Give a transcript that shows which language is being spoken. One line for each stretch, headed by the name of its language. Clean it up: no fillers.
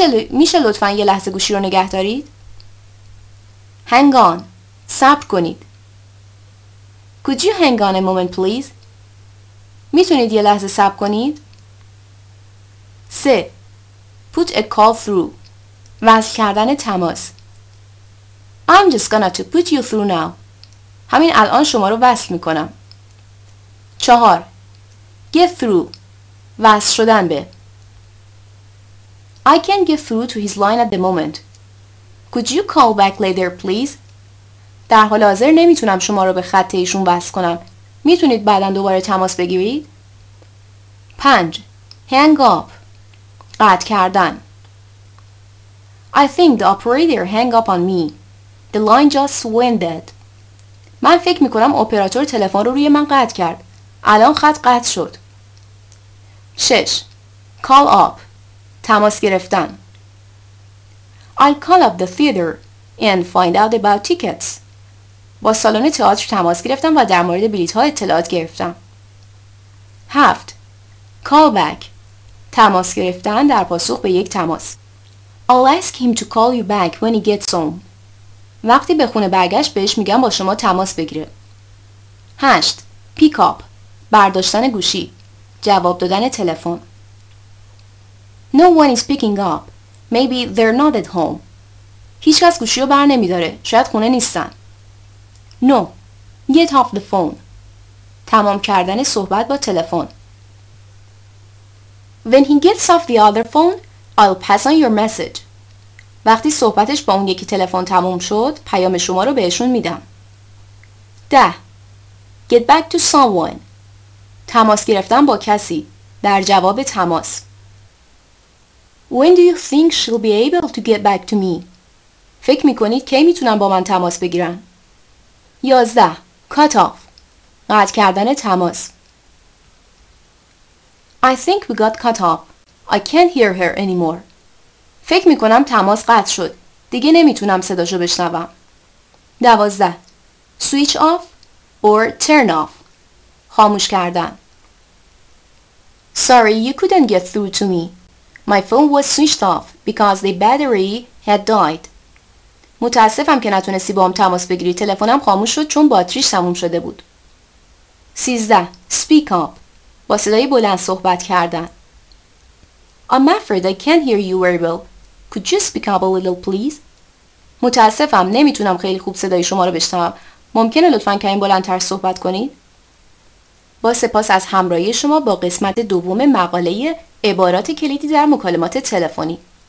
Persian: میشه لطفاً یه لحظه گوشی رو نگه دارید؟
English: Hang on.
Persian: صبر کنید.
English: Could you hang on a moment please?
Persian: میتونید یه لحظه صبر کنید؟ 3.
English: Put a call through.
Persian: وصل کردن تماس.
English: I'm just gonna to put you through now.
Persian: همین الان شما رو وصل میکنم. 4.
English: Get through.
Persian: وصل شدن به.
English: I can't get through to his line at the moment. Could you call back later, please?
Persian: در حال حاضر نمیتونم شما رو به خط ایشون وصل کنم. میتونید بعداً دوباره تماس بگیرید؟ 5.
English: Hang up.
Persian: قطع کردن.
English: I think the operator hang up on me. The line just went dead.
Persian: من فکر میکنم اپراتور تلفن رو روی من قطع کرد. الان خط قطع شد. 6.
English: Call up.
Persian: تماس گرفتن.
English: I'll call up the theater and find out about tickets.
Persian: با سالن تئاتر تماس گرفتم و در مورد بلیط‌ها اطلاعات گرفتم.
English: 7. Call back.
Persian: تماس گرفتن در پاسخ به یک تماس.
English: I'll ask him to call you back when he gets home.
Persian: وقتی به خونه برگشت بهش میگم با شما تماس بگیره. 8.
English: Pick up.
Persian: برداشتن گوشی. جواب دادن تلفن.
English: No one is picking up. Maybe they're not at home.
Persian: هیچ کس گوشی رو بر نمیداره. شاید خونه نیستن.
English: No. Get off the phone.
Persian: تمام کردن صحبت با تلفن.
English: When he gets off the other phone, I'll pass on your message.
Persian: وقتی صحبتش با اون یکی تلفن تموم شد، پیام شما رو بهشون میدم.
English: 10. Get back to someone.
Persian: تماس گرفتن با کسی. در جواب تماس.
English: When do you think she'll be able to get back to me?
Persian: فکر میکنید کی میتونن با من تماس بگیرن؟ 11.
English: Cut off.
Persian: قطع کردن تماس.
English: I think we got cut off. I can't hear her anymore.
Persian: فکر میکنم تماس قطع شد. دیگه نمیتونم صداشو بشنوم. 12.
English: Switch off or turn off.
Persian: خاموش کردن.
English: Sorry, you couldn't get through to me. My phone was switched off because the battery had died.
Persian: متاسفم که نتونستی با هم تماس بگیری. تلفنم خاموش شد چون باتریش تموم شده بود. 13.
English: Speak up.
Persian: با صدای بلند صحبت کردن.
English: I'm afraid I can't hear you very well. Could you speak up a little, please?
Persian: متاسفم نمیتونم خیلی خوب صدای شما رو بشنوم. ممکنه لطفاً کمی بلندتر صحبت کنید؟ با سپاس از همراهی شما با قسمت دوم مقاله عبارات کلیدی در مکالمات تلفنی.